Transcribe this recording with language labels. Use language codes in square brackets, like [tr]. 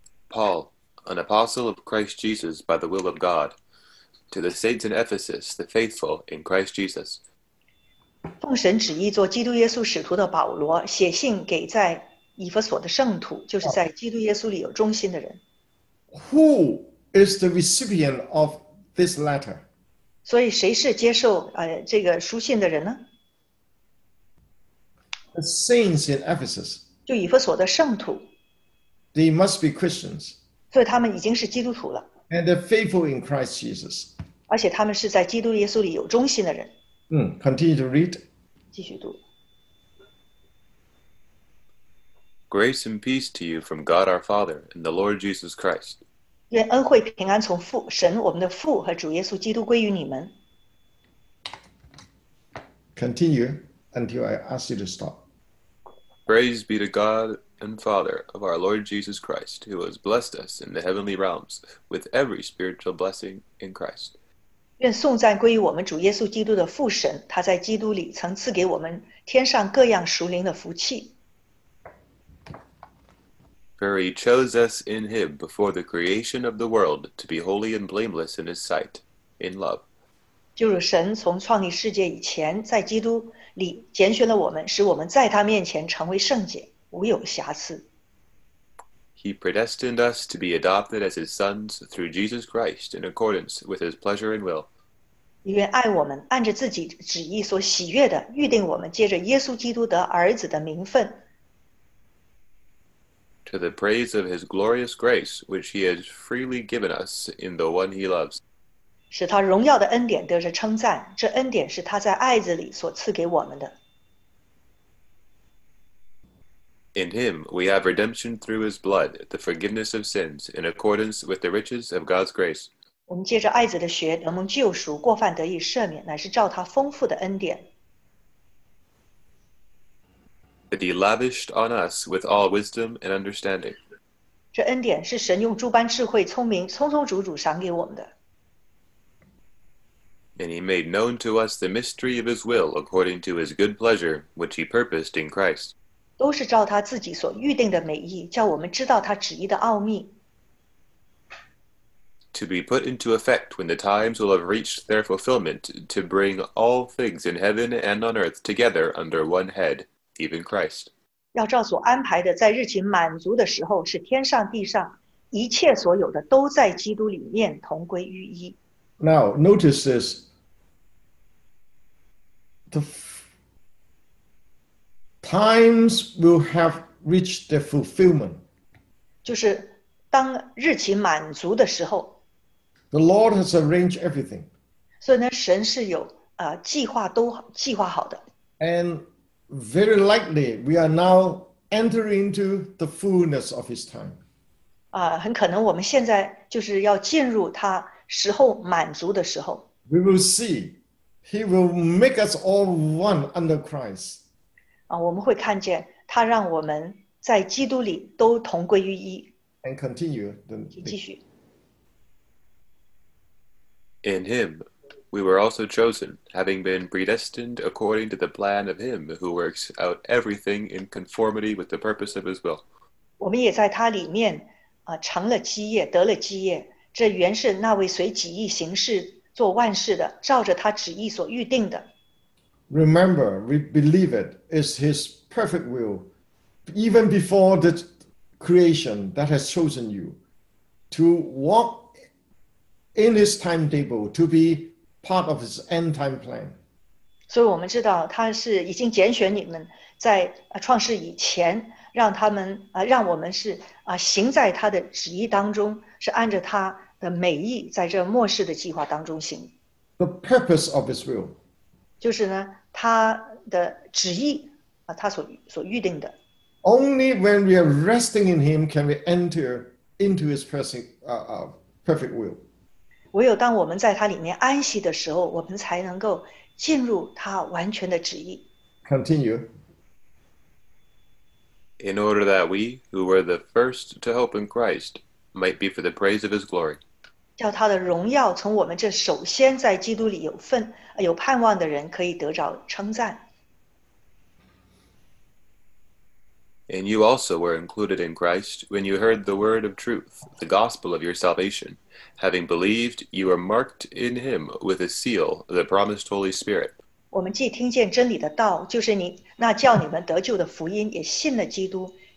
[en] Paul, an apostle of Christ Jesus by the will of God, to the saints in Ephesus, the faithful in Christ Jesus. [zh] 奉神旨意做基督耶稣使徒的保罗写信给在以弗所的圣徒，就是在基督耶稣里有忠心的人。 [en] Who is the recipient of this letter? [zh] 所以谁是接受这个书信的人呢？ [en] The saints in Ephesus. [zh] 就以弗所的圣徒。 [en] They must be Christians. [zh] 所以他们已经是基督徒了。 [en] And they're faithful in Christ Jesus. [zh] 而且他们是在基督耶稣里有忠心的人。 [en] Continue to read. [zh] 继续读。 [en] Grace and peace to you from God our Father and the Lord Jesus Christ. [zh] 愿恩惠平安从父神我们的父和主耶稣基督归于你们。 [en] Continue until I ask you to stop. Praise be to God and Father of our Lord Jesus Christ, who has blessed us in the heavenly realms with every spiritual blessing in Christ. [zh] 愿颂赞归于我们主耶稣基督的父神，他在基督里曾赐给我们天上各样属灵的福气。 [en] For he chose us in him before the creation of the world to be holy and blameless in his sight, in love. [zh] 就是神从创立世界以前，在基督里拣选了我们，使我们在他面前成为圣洁，无有瑕疵。 [en] He predestined us to be adopted as his sons through Jesus Christ in accordance with his pleasure and will. [zh] 愿爱我们，按着自己旨意所喜悦的，预定我们借着耶稣基督得儿子的名分。 [en] To the praise of his glorious grace, which he has freely given us in the one he loves. [zh] 使他荣耀的恩典得着称赞，这恩典是他在爱子里所赐给我们的。 [en] In him, we have redemption through his blood, the forgiveness of sins, in accordance with the riches of God's grace. [zh] 我们借着爱子的血得蒙救赎，过犯得以赦免，乃是照他丰富的恩典。 [en] That he lavished on us with all wisdom and understanding. [zh] 这恩典是神用诸般智慧、聪明、充充足足赏给我们的。 [en] And he made known to us the mystery of his will according to his good pleasure, which he purposed in Christ. [zh] 都是照他自己所预定的美意，叫我们知道他旨意的奥秘。 [en] To be put into effect when the times will have reached their fulfillment, to bring all things in heaven and on earth together under one head. Even Christ. [zh] 要照所安排的，在日期满足的时候，是天上地上一切所有的都在基督里面同归于一。 [en] Now notice this. The times will have reached their fulfillment. [zh] 就是当日期满足的时候。 [en] The Lord has arranged everything. [zh] 所以呢，神是有计划都计划好的。 [en] And Very likely, we are now entering into the fullness of his time. [zh] 很可能我们现在就是要进入他时候满足的时候。 [en] We will see. He will make us all one under Christ. [zh] 我们会看见他让我们在基督里都同归于一。 [en] And continue. Then [zh] 继续。 [en] In him. We were also chosen, having been predestined according to the plan of him who works out everything in conformity with the purpose of his will. [zh] 我们也在他里面成了基业，得了基业，这原是那位随己意行事做万事的，照着他旨意所预定的。 [en] Remember, we believe it is his perfect will, even before the creation that has chosen you, to walk in his timetable, to be part of his end time plan. [zh] 所以我们知道他是已经拣选你们在创世以前让他们让我们是行在他的旨意当中，是按着他的美意在这末世的计划当中行。 [en] The purpose of his will. [zh] 就是呢他的旨意他所预定的。 [en] Only when we are resting in him can we enter into his perfect will. [zh] 唯有当我们在他里面安息的时候，我们才能够进入他完全的旨意。 [en] Continue. In order that we, who were the first to hope in Christ, might be for the praise of his glory. [zh] 叫他的荣耀从我们这首先在基督里有份、有盼望的人可以得着称赞。 [en] And you also were included in Christ when you heard the word of truth, the gospel of your salvation. Having believed, you were marked in him with a seal, the promised Holy Spirit. [zh] 我们既听见真理的道，就是你那叫你们得救的福音，也信了基督，